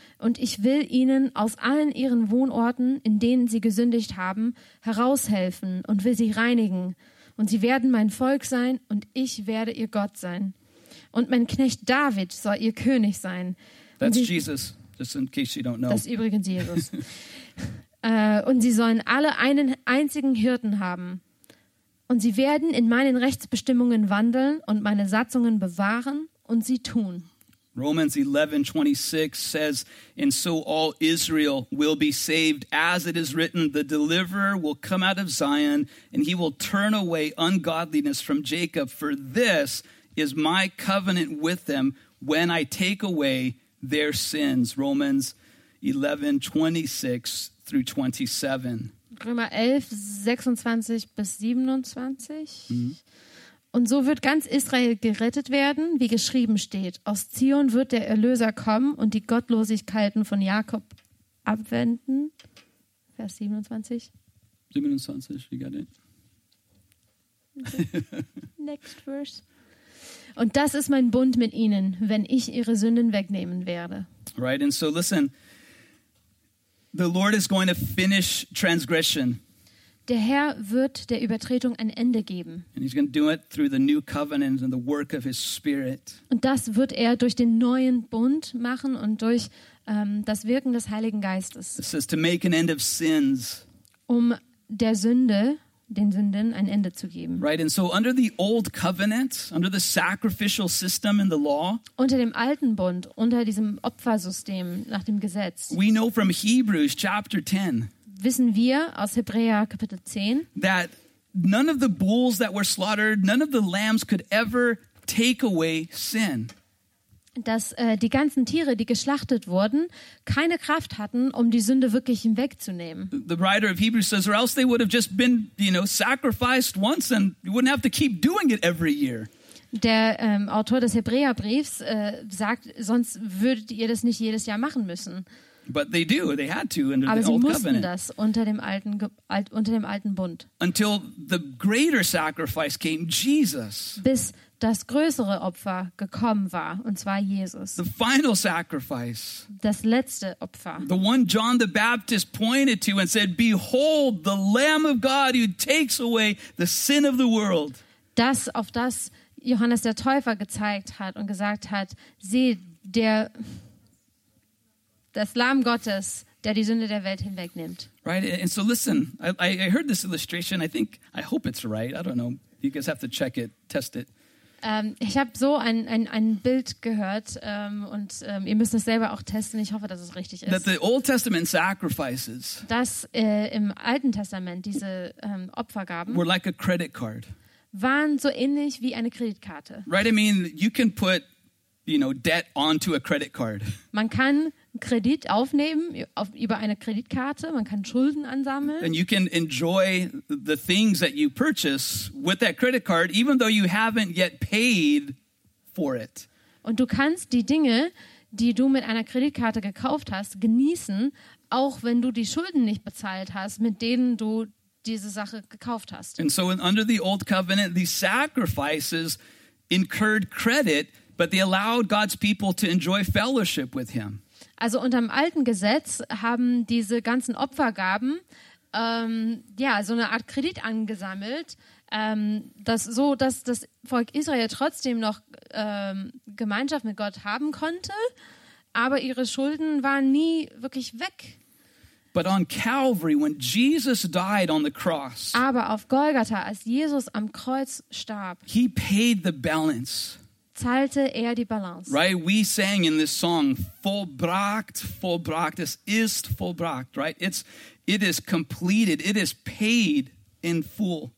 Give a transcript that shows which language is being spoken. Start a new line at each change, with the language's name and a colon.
German: Und ich will ihnen aus allen ihren Wohnorten, in denen sie gesündigt haben, heraushelfen und will sie reinigen. Und sie werden mein Volk sein und ich werde ihr Gott sein. Und mein Knecht David soll ihr König sein.
English: That's Jesus, just in case you don't know.
German: Das ist übrigens Jesus. Und sie sollen alle einen einzigen Hirten haben. Und sie werden in meinen Rechtsbestimmungen wandeln und meine Satzungen bewahren und sie tun.
English: Romans 11:26 says, and so all Israel will be saved, as it is written, the deliverer will come out of Zion and he will turn away ungodliness from Jacob. For this is my covenant with them when I take away their sins. Romans 11:26-27.
German: Römer 11:26-27. Mm-hmm. Und so wird ganz Israel gerettet werden, wie geschrieben steht. Aus Zion wird der Erlöser kommen und die Gottlosigkeiten von Jakob abwenden. Vers 27.
English: 27, you got it. Next verse.
German: Und das ist mein Bund mit ihnen, wenn ich ihre Sünden wegnehmen werde.
English: Right, and so listen, the Lord is going to finish transgression.
German: Der Herr wird der Übertretung ein Ende geben.
English: And he's going to do it through the new covenant and the work of his spirit.
German: Und das wird er durch den neuen Bund machen und durch das Wirken des Heiligen Geistes.
English: It says to make an end of sins.
German: Um der Sünde, den Sünden, ein Ende zu geben.
English: Right, and so under the old covenant, under the sacrificial system in the law,
German: unter dem alten Bund, unter diesem Opfersystem nach dem Gesetz,
English: we know from Hebrews chapter 10,
German: wissen wir aus Hebräer Kapitel 10,
English: that none of the bulls that were slaughtered, none of the lambs could ever take away sin.
German: Dass die ganzen Tiere, die geschlachtet wurden, keine Kraft hatten, um die Sünde wirklich hinwegzunehmen.
English: The writer of Hebrews says, or else they would have just been, you know, sacrificed once and you wouldn't have to keep doing it every year.
German: Der Autor des Hebräerbriefs sagt, sonst würdet ihr das nicht jedes Jahr machen müssen.
English: But they do, they had to under
German: Aber
English: the old covenant.
German: Aber sie mussten das unter dem alten Bund.
English: Until the greater sacrifice came, Jesus.
German: Bis das größere Opfer gekommen war, und zwar Jesus.
English: The final sacrifice.
German: Das letzte Opfer.
English: The one John the Baptist pointed to and said, behold, the Lamb of God who takes away the sin of the world.
German: Das, auf das Johannes der Täufer gezeigt hat und gesagt hat, seht, das Lamm Gottes, der die Sünde der Welt hinwegnimmt.
English: Right, and so listen, I heard this illustration, I hope it's right, I don't know, you guys have to check it, test it.
German: Ich habe so ein Bild gehört und ihr müsst das selber auch testen. Ich hoffe, dass es richtig ist.
English: That the Old Testament sacrifices,
German: dass im Alten Testament diese Opfergaben
English: were like a credit card.
German: Waren so ähnlich wie eine Kreditkarte.
English: Right, I mean, you can put you know, debt onto a credit card.
German: Man kann Kredit aufnehmen über eine Kreditkarte, man kann Schulden ansammeln.
English: And you can enjoy the things that you purchase with that credit card, even though you haven't yet paid for it.
German: Und du kannst die Dinge, die du mit einer Kreditkarte gekauft hast, genießen, auch wenn du die Schulden nicht bezahlt hast, mit denen du diese Sache gekauft hast.
English: And so under the old covenant, these sacrifices incurred credit, but they allowed God's people to enjoy fellowship with him.
German: Also unter dem alten Gesetz haben diese ganzen Opfergaben so eine Art Kredit angesammelt, dass das Volk Israel trotzdem noch Gemeinschaft mit Gott haben konnte, aber ihre Schulden waren nie wirklich weg.
English: But on Calvary, when Jesus died on the cross,
German: aber auf Golgatha, als Jesus am Kreuz starb,
English: he paid the balance.
German: Zahlte er die Balance.
English: Right? We sang in this song,
German: vollbracht, vollbracht. Es ist vollbracht, right?
English: It is completed. It is paid in full.